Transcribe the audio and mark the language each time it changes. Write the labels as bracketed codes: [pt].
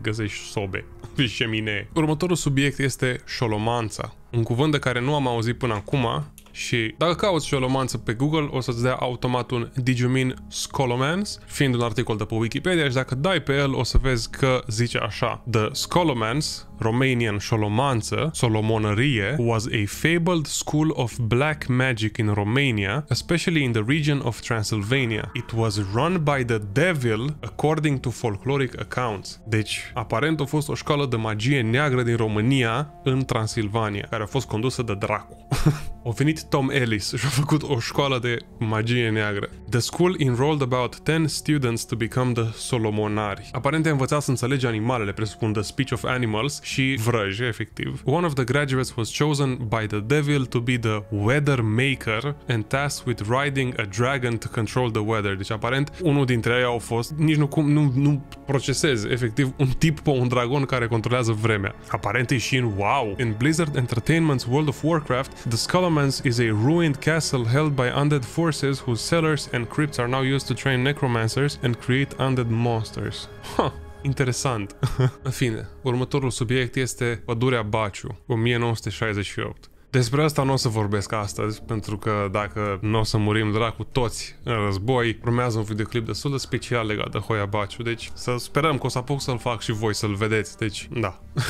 [ro] Găsești sobe, șemine. Următorul subiect este șolomanța. Un cuvânt de care nu am auzit până acum și dacă cauți șolomanță pe Google, o să-ți dea automat un [en] Did you mean scolomance? [ro] Fiind un articol de pe Wikipedia și dacă dai pe el, o să vezi că zice așa. [en] The scolomance, Romanian șolomanță, solomonărie, was a fabled school of black magic in Romania, especially in the region of Transylvania. It was run by the devil, according to folkloric accounts. [ro] Deci, aparent a fost o școală de magie neagră din România, în Transilvania, care a fost condusă de dracu. A venit Tom Ellis și a făcut o școală de magie neagră. [en] The school enrolled about 10 students to become the solomonari. [ro] Aparent a învățat să înțelege animalele, presupun [en] the speech of animals, [ro] și vrăji, efectiv. [en] One of the graduates was chosen by the devil to be the weather maker and tasked with riding a dragon to control the weather. [ro] Deci, aparent, unul dintre ei au fost, nici nu cum, nu procesez, efectiv, un tip pe un dragon care controlează vremea. Aparent, e și în wow! [en] In Blizzard Entertainment's World of Warcraft, the Scolomance is a ruined castle held by undead forces whose cellars and crypts are now used to train necromancers and create undead monsters. [ro] Interesant. În fine, următorul subiect este Pădurea Baciu, 1968. Despre asta nu o să vorbesc astăzi, pentru că dacă nu o să murim dracu toți în război, urmează un videoclip destul de special legat de Hoia Baciu, deci să sperăm că o să apuc să-l fac și voi să-l vedeți, deci da.